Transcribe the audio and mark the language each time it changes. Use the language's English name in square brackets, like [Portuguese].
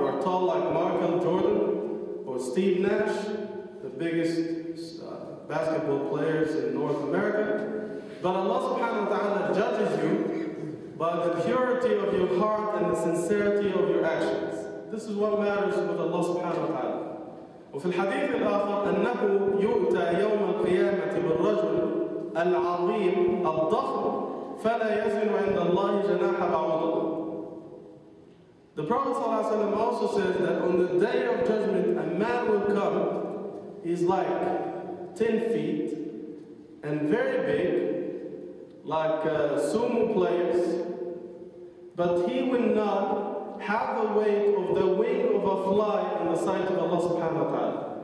[English] You are tall like Michael Jordan or Steve Nash, the biggest basketball players in North America. But Allah subhanahu wa ta'ala judges you by the purity of your heart and the sincerity of your actions. This is what matters with Allah subhanahu wa ta'ala. [Arabic] وفي الحديث الآخر أنه يؤتى يوم القيامة بالرجل العظيم الضخم ف فلا يزن عند الله جناح بعوضة. [English] The Prophet ﷺ also says that on the day of judgment, a man will come, he's like 10 feet and very big, like sumo players, but he will not have the weight of the wing of a fly in the sight of Allah subhanahu wa ta'ala.